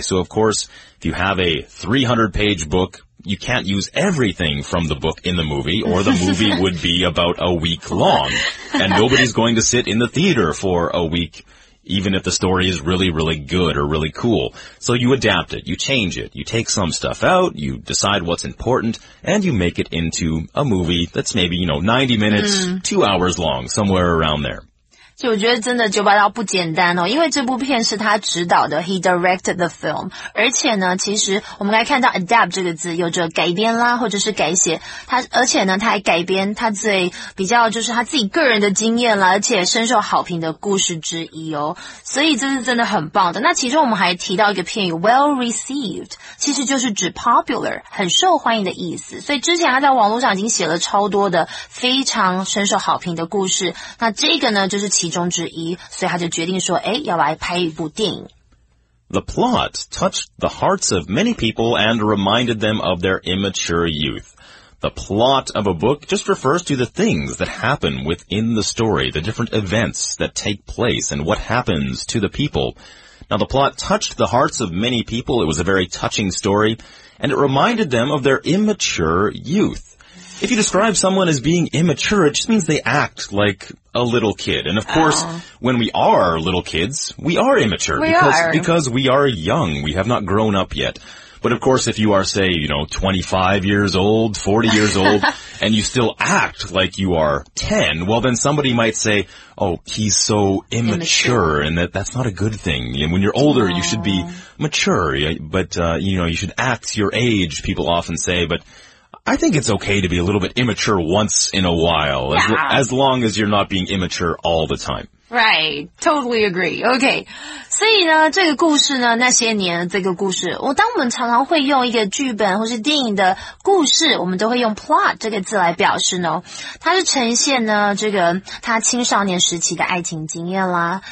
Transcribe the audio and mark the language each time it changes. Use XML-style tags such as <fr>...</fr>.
<en>So, of course, if you have a 300-page book,You can't use everything from the book in the movie, or the movie would be about a week long, and nobody's going to sit in the theater for a week even if the story is really, really good or really cool. So you adapt it, you change it, you take some stuff out, you decide what's important, and you make it into a movie that's maybe, you know, 90 minutes, 2 hours long, somewhere around there.</en> <zh>就我觉得真的九把刀不简单哦，因为这部片是他执导的 ,</zh> <en>he directed the film,</en> <zh>而且呢其实我们刚才看到 adapt 这个字有着改编啦或者是改写他，而且呢他还改编他最比较就是他自己个人的经验啦，而且深受好评的故事之一哦，所以这是真的很棒的。那其中我们还提到一个片语</zh> <en>well received,</en> <zh>其实就是指 popular, 很受欢迎的意思，所以之前他在网络上已经写了超多的非常深受好评的故事，那这个呢就是其中之一，所以他就决定说，哎，要来拍一部电影。</zh> <en>The plot touched the hearts of many people and reminded them of their immature youth. The plot of a book just refers to the things that happen within the story, the different events that take place and what happens to the people. Now, the plot touched the hearts of many people. It was a very touching story, and it reminded them of their immature youth. If you describe someone as being immature, it just means they act like a little kid. And of course, when we are little kids, we are immature. Because we are young. We have not grown up yet. But of course, if you are, say, you know, 25 years old, 40 years old, and you still act like you are 10, well, then somebody might say, oh, he's so immature, and that's not a good thing. And when you're older, you should be mature. But, you know, you should act your age, people often say, but... I think it's okay to be a little bit immature once in a while, as long as you're not being immature all the time. Right, totally agree.</en> <zh>Okay, 所以呢，这个故事呢，那些年这个故事，当我们常常会用一个剧本或是电影的故事，我们都会用 plot 这个字来表示呢。它是呈现呢，这个他青少年时期的爱情经验啦。</zh>